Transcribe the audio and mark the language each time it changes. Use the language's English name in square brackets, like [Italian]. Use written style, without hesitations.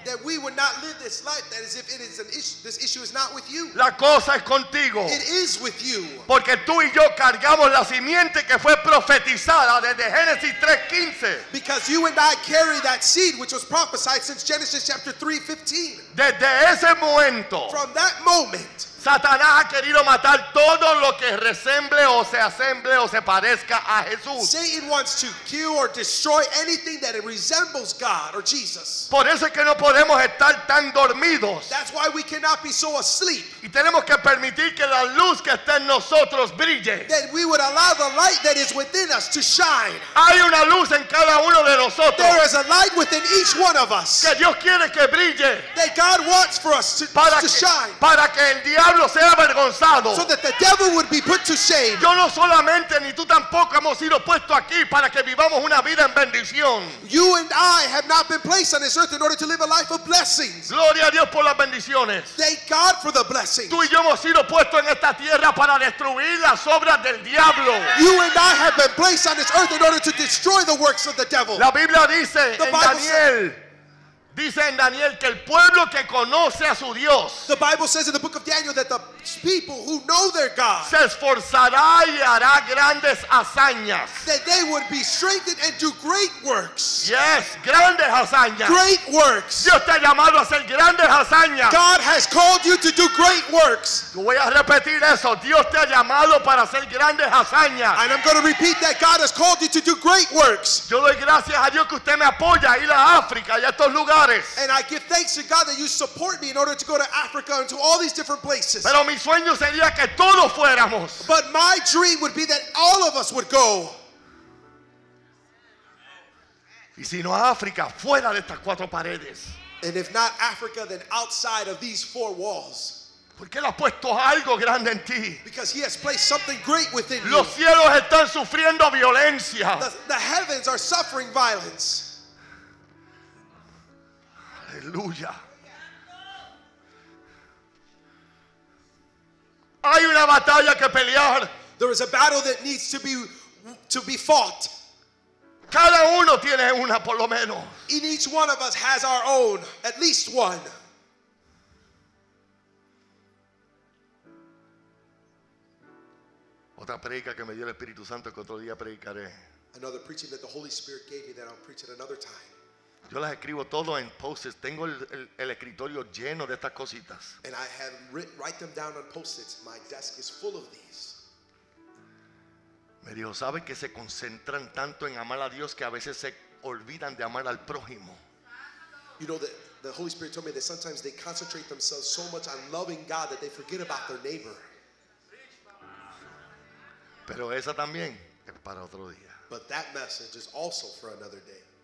[English] That we would not live this life that as if it is an issue, this issue is not with you. [Spanish] La cosa es contigo. [English] It is with you. [Spanish] Porque tú y yo cargamos la simiente que fue profetizada desde Génesis 3:15. [English] Because you and I carry that seed which was prophesied since Genesis chapter 3:15. [Spanish] Desde ese momento. [English] From that moment. [Spanish] Satanás ha querido matar todo lo que resemble o se asemble o se parezca a Jesús. [English] Satan wants to kill or destroy anything that resembles God or Jesus. [Spanish] Por eso es que no podemos estar tan dormidos. [English] That's why we cannot be so asleep. [Spanish] Y tenemos que permitir que la luz que está en nosotros brille. [English] That we would allow the light that is within us to shine. [Spanish] Hay una luz en cada uno de nosotros. [English] There is a light within each one of us. [Spanish] Que Dios quiere que brille. [English] That God wants for us to shine. [Spanish] Para que el diablo sea avergonzado. [English] So that the devil would be put to shame. [Spanish] Yo no solamente ni tú tampoco hemos sido puestos aquí para que vivamos una vida en bendición. [English] You and I have not been placed on this earth in order to live a life of blessings. [Spanish] Gloria a Dios por las bendiciones. [English] Thank God for the blessings. [Spanish] Tú y yo hemos sido puestos en esta tierra para destruir las obras del diablo. [English] You and I have been placed on this earth in order to destroy the works of the devil. [Spanish] La Biblia dice en Daniel. Dice en Daniel que el pueblo que conoce a su Dios, [English] the Bible says in the book of Daniel that the people who know their God, [Spanish] se esforzará y hará grandes hazañas. [English] That they would be strengthened and do great works. [Spanish] Yes, grandes hazañas. [English] Great works. [Spanish] Dios te ha llamado a hacer grandes hazañas. [English] God has called you to do great works. [Spanish] Yo voy a repetir eso. Dios te ha llamado para hacer grandes hazañas. [English] And I'm going to repeat that God has called you to do great works. [Spanish] Yo doy gracias a Dios que usted me apoya a ir a África y a estos lugares. [English] And I give thanks to God that you support me in order to go to Africa and to all these different places. [Spanish] Pero mi sueño sería que todos fuéramos. [English] But my dream would be that all of us would go. [Spanish] Y si no África, fuera de estas cuatro paredes. [English] And if not Africa, then outside of these four walls. [Spanish] Porque él ha puesto algo grande en ti. [English] Because he has placed something great within you. [Spanish] Los cielos están sufriendo violencia. [English] The heavens are suffering violence. [Spanish] Aleluya. Hay una batalla que pelear. [English] There is a battle that needs to be fought. [Spanish] Cada uno tiene una por lo menos. [English] And each one of us has our own, at least one. [Spanish] Otra predica que me dio el Espíritu Santo que otro día predicaré. [English] Another preaching that the Holy Spirit gave me that I'll preach at another time. [Spanish] Yo las escribo todo en post-its. Tengo el escritorio lleno de estas cositas. [English] And I have write them down on post-its. My desk is full of these. [Spanish] Me dijo, ¿sabe que se concentran tanto en amar a Dios que a veces se olvidan de amar al prójimo? [English] You know, the Holy Spirit told me that sometimes they concentrate themselves so much on loving God that they forget about their neighbor. [Spanish] Pero esa también es para otro día. [English] But that message is also for another day.